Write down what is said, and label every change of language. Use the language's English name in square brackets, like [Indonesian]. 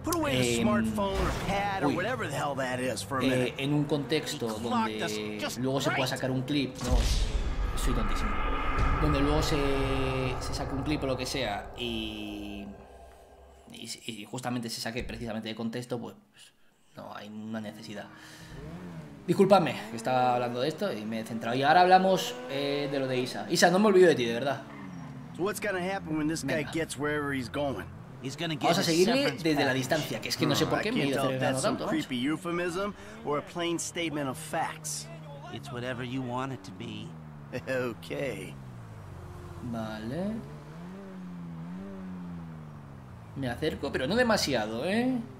[Spanish] en un contexto donde luego se pueda sacar un clip, no, soy tontísimo, donde luego se saque un clip o lo que sea y justamente se saque precisamente de contexto, pues no hay una necesidad. Disculpadme, que estaba hablando de esto y me he centrado. Y ahora hablamos de lo de Isa. Isa, no me olvido de ti, de verdad. [English] What's gonna happen when this guy gets wherever he's going? He's gonna get. [Spanish] Vamos a seguirle desde la distancia, que es que no sé por qué me he ido acercando tanto. [English] That's some creepy euphemism or a plain statement of facts. It's whatever you want it to be. Okay. [Spanish] Vale. Me acerco, pero no demasiado, ¿eh?